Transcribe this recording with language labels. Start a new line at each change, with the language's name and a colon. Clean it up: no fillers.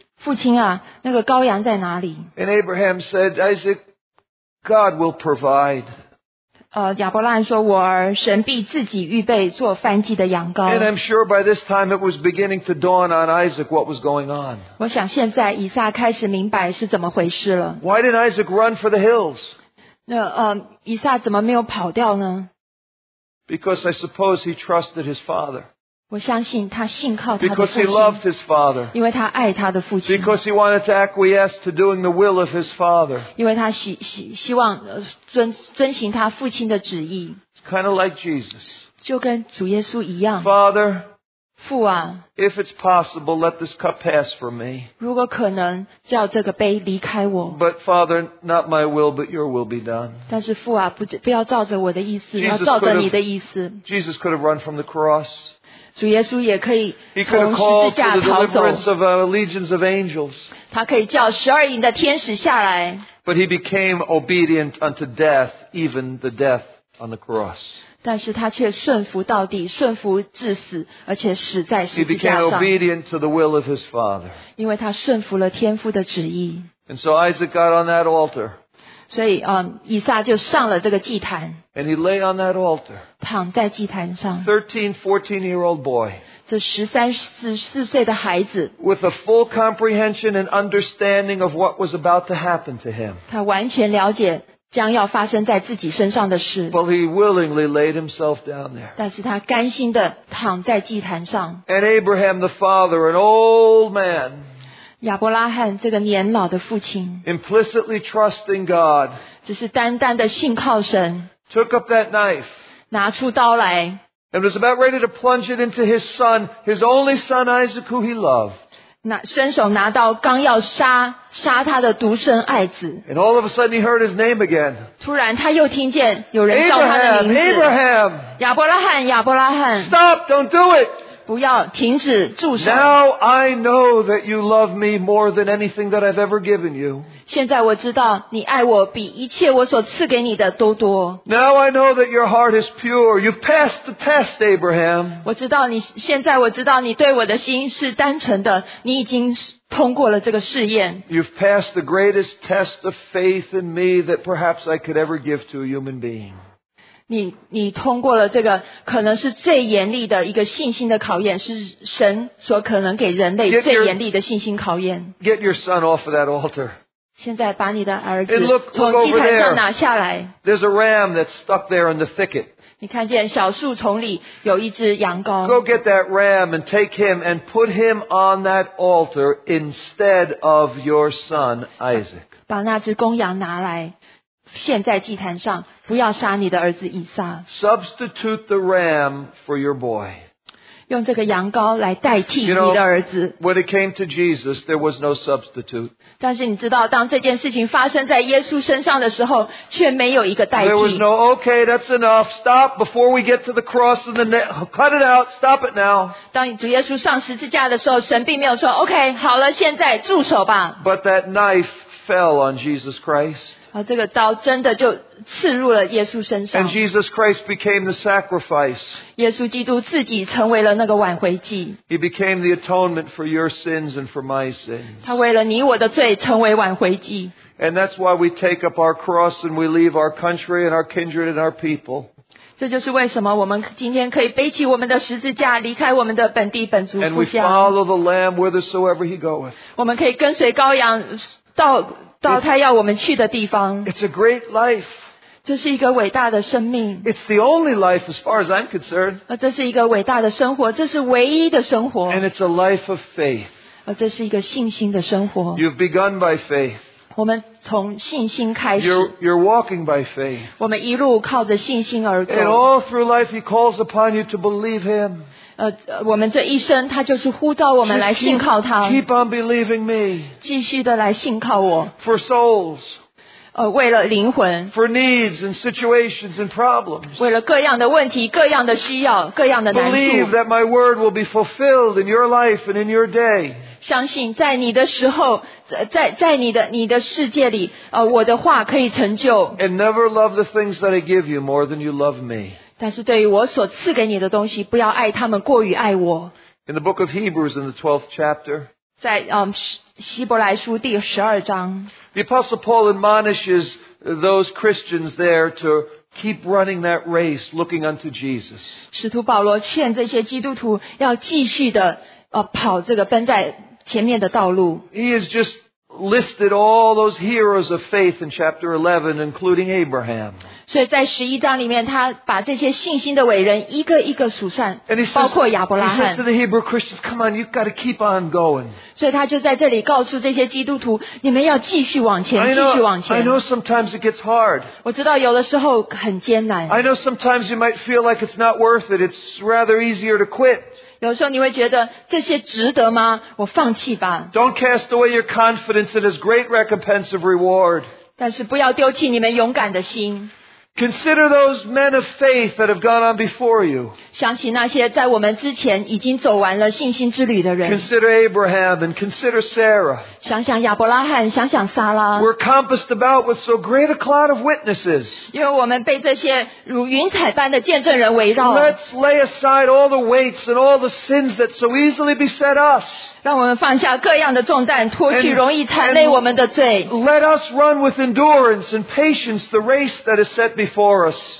Chinese: 父亲啊, 那个羔羊在哪里?
English: And Abraham said, Isaac, God will provide.
Chinese: 亚伯拉罕说，我儿, 神必自己预备做燔祭的羊羔。
English: And I'm sure by this time it was beginning to dawn on Isaac what was going on.
Chinese: 我想现在以撒开始明白是怎么回事了。
English: Why did Isaac run for the hills?
Chinese: 以撒怎么没有跑掉呢?
English: Because I suppose he trusted his father.
Chinese: 我相信他信靠他的父亲,
English: because he loved his father. Because he wanted to acquiesce to doing the will of his father.
Chinese: 因为他希望遵行他父亲的旨意。
English: It's kind of like Jesus.
Chinese: 就跟主耶稣一样。
English: Father,
Chinese: 父啊,
English: if it's possible, let this cup pass from me.
Chinese: 如果可能,叫这个杯离开我。
English: But Father, not my will, but your will be done.
Chinese: 但是父啊, 不要照着我的意思, 要照着你的意思。
English: Jesus could have run from the cross.
Chinese: 主耶稣也可以从十字架逃走。
English: He could have called to the deliverance of legions of angels.
Chinese: 他可以叫十二营的天使下来。
English: But he became obedient unto death, even the death on the cross.
Chinese: 但是他却顺服到底，顺服至死，而且死在十字架上。
English: He became obedient to the will of his father.
Chinese: 因为他顺服了天父的旨意。
English: And so Isaac got on that altar.
Chinese: 所以，以撒就上了这个祭坛。
English: And he lay on that altar.
Chinese: 躺在祭坛上。
English: 14-year-old boy.
Chinese: 这十三、十四岁的孩子。
English: With a full comprehension and understanding of what was about to happen to him.
Chinese: 他完全了解将要发生在自己身上的事。
English: But he willingly laid himself down there.
Chinese: 但是他甘心地躺在祭坛上。
English: And Abraham the father, an old man.
Chinese: 亚伯拉罕这个年老的父亲
English: implicitly trusting God
Chinese: 只是单单的信靠神
English: took up that knife
Chinese: 拿出刀来
English: and was about ready to plunge it into his son his only son Isaac who he loved
Chinese: 拿伸手拿刀刚要杀杀他的独生爱子
English: and all of a sudden he heard his name again
Chinese: 突然他又听见有人叫他的名字
English: Abraham
Chinese: 亚伯拉罕亚伯拉罕
English: Stop don't do it
Chinese: 不要停止住手。
English: Now I know that you love me more than anything that I've ever given you.
Chinese: 现在我知道你爱我比一切我所赐给你的都多。
English: Now I know that your heart is pure. You've passed the test, Abraham.
Chinese: 我知道你现在我知道你对我的心是单纯的，你已经通过了这个试验。
English: You've passed the greatest test of faith in me that perhaps I could ever give to a human being.
Chinese: 你通过了这个可能是最严厉的一个信心的考验是神所可能给人类最严厉的信心考验
English: get your son off of that altar
Chinese: 现在把你的儿子从祭坛上拿下来
English: there's a ram that's stuck there in the thicket
Chinese: 你看见小树丛里有一只羊羔
English: go get that ram and take him and put him on that altar instead of your son Isaac
Chinese: 把那只公羊拿来献在祭坛上不要杀你的儿子以撒
English: Substitute the ram for your boy.
Chinese: 用这个羊羔来代替你的儿子
English: you know, When it came to Jesus, there was no substitute.
Chinese: 但是你知道当这件事情发生在耶稣身上的时候却没有一个代替
English: There was no, okay, that's enough. Stop before we get to the cross and the net. Cut it out. Stop it now.
Chinese: 当主耶稣上十字架的时候神并没有说 okay, 好了现在住手吧
English: But that knife fell on Jesus Christ.
Chinese: 这个刀真的就刺入了耶稣身上。
English: And Jesus Christ became the sacrifice.
Chinese: 耶稣基督自己成为了那个挽回祭。
English: He became the atonement for your sins and for my sins.
Chinese: 他为了你我的罪成为挽回祭。
English: And that's why we take up our cross and we leave our country and our kindred and our people.
Chinese: 这就是为什么我们今天可以背起我们的十字架离开我们的本地本族父家。
English: And we follow the Lamb whithersoever he goeth.
Chinese: 我们可以跟随羔羊到他要我们去的地方
English: It's a great life.
Chinese: 这是一个伟大的生命
English: It's the only life as far as I'm concerned.
Chinese: 这是一个伟大的生活这是唯一的生活
English: And it's a life of faith.
Chinese: 这是一个信心的生活
English: You've begun by faith.
Chinese: 我们从信心开始
English: You're walking by faith.
Chinese: 我们一路靠着信心而走
English: And all through life he calls upon you to believe him.
Chinese: 我们这一生他就是呼召我们来信靠他
English: keep on believing me
Chinese: 继续的来信靠我
English: for souls
Chinese: 为了灵魂
English: for needs and situations and problems
Chinese: 为了各样的问题各样的需要各样的难处
English: believe that my word will be fulfilled in your life and in your day
Chinese: 相信在你的时候 在你的世界里我的话可以成就
English: and never love the things that I give you more than you love me
Chinese: 但是对于我所赐给你的东西不要爱他们过于爱我
English: In the book of Hebrews in the 12th chapter
Chinese: 在希伯来书第十二章
English: The Apostle Paul admonishes those Christians there to keep running that race looking unto Jesus
Chinese: 使徒保罗劝这些基督徒要继续的跑这个奔在前面的道路
English: He has just listed all those heroes of faith in chapter 11 including Abraham
Chinese: 所以在十一章里面他把这些信心的伟人一个一个数算
English: says,
Chinese: 包括亚伯拉罕
English: he says to the Hebrew Christians come on you've got to keep on going
Chinese: 所以他就在这里告诉这些基督徒你们要继续往前
English: I know,
Chinese: 继续往前
English: I know sometimes it gets hard
Chinese: 我知道有的时候很艰难
English: I know sometimes you might feel like it's not worth it it's rather easier to quit
Chinese: 有时候你会觉得这些值得吗我放弃吧
English: don't cast away your confidence it is great recompense of reward
Chinese: 但是不要丢弃你们勇敢的心
English: Consider those men of faith that have gone on before you.
Chinese: 想起那些在我们之前已经走完了信心之旅的人。
English: Consider Abraham and consider Sarah.
Chinese: 想想亚伯拉罕，想想撒拉。
English: We're compassed about with so great a cloud of witnesses.
Chinese: 因为我们被这些如云彩般的见证人围绕。
English: Let's lay aside all the weights and all the sins that so easily beset us.
Chinese: 让我们放下各样的重担，脱去容易缠累我们的罪。
English: Let us run with endurance and patience the race that is set. Before us.